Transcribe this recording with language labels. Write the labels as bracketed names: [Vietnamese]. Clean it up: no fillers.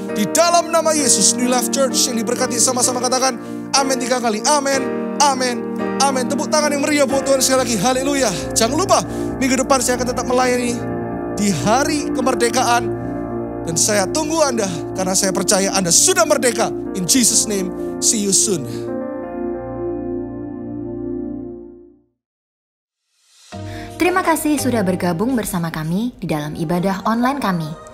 [Indonesian] Di dalam nama Yesus, New Life Church yang diberkati, sama-sama katakan, amin 3 kali. Amin, amin, amin. Tepuk tangan yang meriah buat Tuhan sekali lagi. Haleluya. Jangan lupa, minggu depan saya akan tetap melayani di hari kemerdekaan. Dan saya tunggu Anda, karena saya percaya Anda sudah merdeka. [English] In Jesus' name, see you soon. [Indonesian] Terima kasih sudah bergabung bersama kami di dalam ibadah online kami.